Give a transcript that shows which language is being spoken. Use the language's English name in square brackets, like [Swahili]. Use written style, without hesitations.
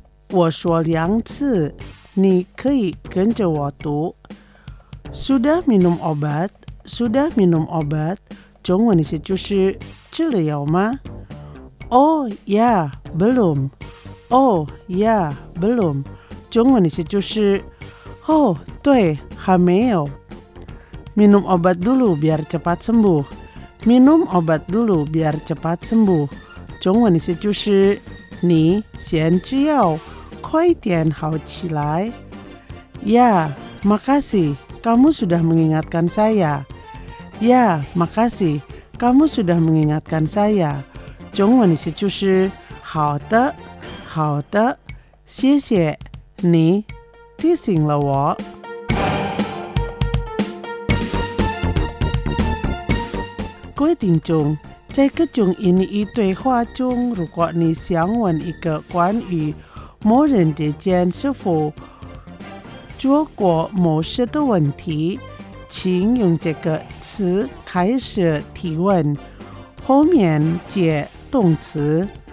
[Chinese] 我说两次，你可以跟着我读 [Indonesian] Sudah minum obat? Sudah minum obat? [Chinese] 中文意思就是吃了药吗？ [Indonesian] Oh ya, belum. Oh ya, belum. [Chinese] 中文意思就是 Oh, 对，还没有。 [Indonesian] Minum obat dulu biar cepat sembuh. Minum obat dulu biar cepat sembuh. [Chinese] 中文意思就是你先吃药，快点好起来。 [Indonesian] Ya, makasih. Kamu sudah mengingatkan saya. Ya, makasih. Kamu sudah mengingatkan saya. [Chinese] 中文意思就是好的好的，谢谢你提醒了我。各位听众，在各种印尼语对话中，如果你想问一个关于某人之间是否做过某事的问题，请用这个词开始提问，后面接动词。